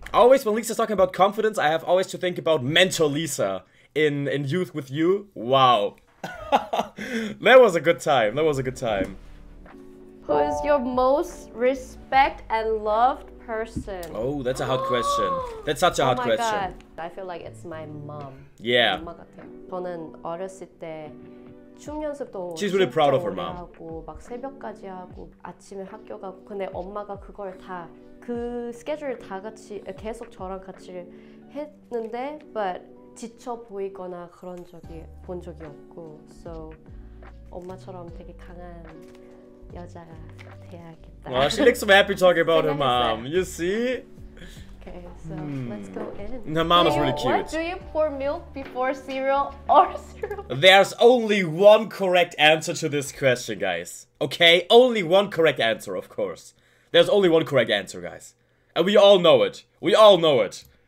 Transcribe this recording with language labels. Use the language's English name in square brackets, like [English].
[English] Always when Lisa's talking about confidence, I have always to think about mental Lisa in Youth With You. Wow. That was a good time. That was a good time. Who is your most respect and loved person? Oh, that's a hard question. That's such a hard question. Oh my god. I feel like it's my mom. Yeah. [Korean] 엄마 같아요. 저는 어렸을 때 춤 연습도 [English] She's really proud of her mom. [Korean] 하고 막 새벽까지 하고 아침에 학교 가고 근데 엄마가 그걸 다 그 스케줄 다 같이 계속 저랑 같이 했는데 but 지쳐 보이거나 그런 적이 본 적이 없고 so 엄마처럼 되게 강한 여자가 돼야겠다. [English] Well, she looks so happy talking about her mom. You see? Okay, so let's go in. Her mom is really cute. What, do you pour milk before cereal or cereal? There's only one correct answer to this question, guys. Okay, only one correct answer, of course. There's only one correct answer, guys. And we all know it. We all know it.